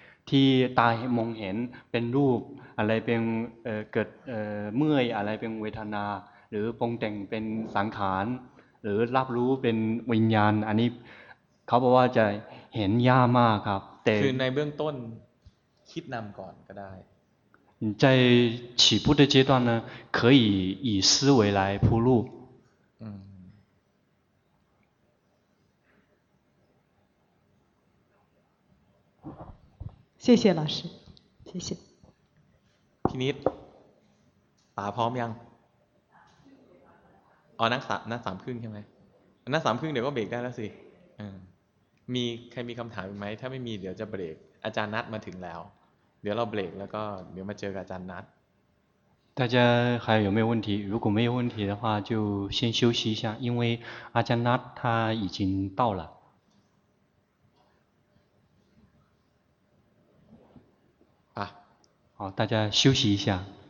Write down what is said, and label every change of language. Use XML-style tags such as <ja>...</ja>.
<th>ที่ตามองเห็นเป็นรูปอะไรเป็นเกิดเมื่อยอะไรเป็นเวทนาหรือปรุงแต่งเป็นสังขารหรือรับรู้เป็นวิญญาณอันนี้เขาบอกว่าจะเห็นยากมากครับ ต่คือในเบื้องต้นคิดนำก่อนก็ได้</th> <zh>你在起步的阶段呢可以以思维来铺路谢谢老师谢谢</zh> <th>พินิจป๋าพร้อมยังอ๋อนั่งสามนั่งสามครึ่งใช่ไหมนั่งสามครึ่งเดี๋ยวก็เบรกได้แล้วสิมีใครมีคำถามอีกไหมถ้าไม่มีเดี๋ยวจะเบรกอาจารย์นัทมาถึงแล้วเดี๋ยวเราเบรกแล้วก็เดี๋ยวมาเจอกับอาจารย์นัท</th> <zh>大家还有没有问题如果没有问题的话就先休息一下因为อาจารย์นัท他已经到了好大家休息一下</zh>